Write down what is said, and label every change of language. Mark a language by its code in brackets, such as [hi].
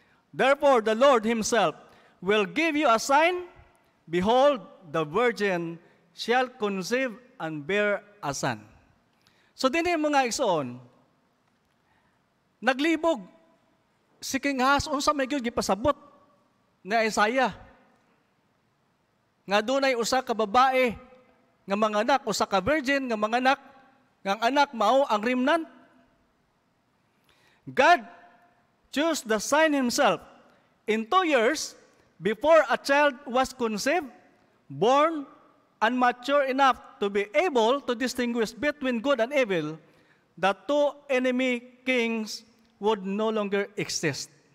[en] Therefore the Lord himself will give you a sign. Behold, the virgin shall conceive and bear a son. [ceb] So dinhi mga igsoon, naglibog si King Ahaz unsa may gyud gipasabot ni Isaiah nga dunay usa ka babae nga manganak, usa ka virgin nga manganak, nga ang anak mao ang remnant. [en] God chose the sign himself in 2 years before a child was conceived, born and mature enough to be able to distinguish between good and evil, the two enemy kings would no longer exist.